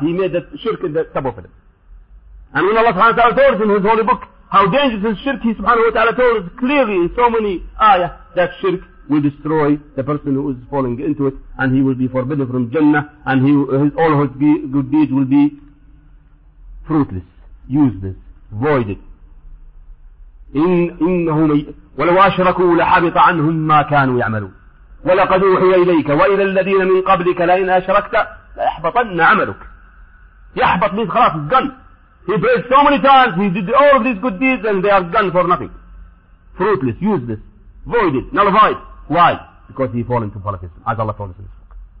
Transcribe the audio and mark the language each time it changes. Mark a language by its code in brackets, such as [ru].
[en] He made the shirk in the sub of them. And when Allah subhanahu wa ta'ala told us in his holy book how dangerous is shirk, he subhanahu wa ta'ala told us clearly in so many ayah that shirk will destroy the person who is falling into it, and he will be forbidden from Jannah, and all his good deeds will be fruitless, useless, voided. [ar] إنهم ولو أشركوا لحبط عنهم ما كانوا يعملون ولقد أوحي إليك وإلى الذين من قبلك لئن أشركت ليحبطن عملك يحبط [en] means [ar] خلاص [en] gone. He prayed so many times, he did all of these good deeds and they are gone for nothing. Fruitless, useless, voided, nullified. Why? Because he fall into polytheism, as Allah told us in this book.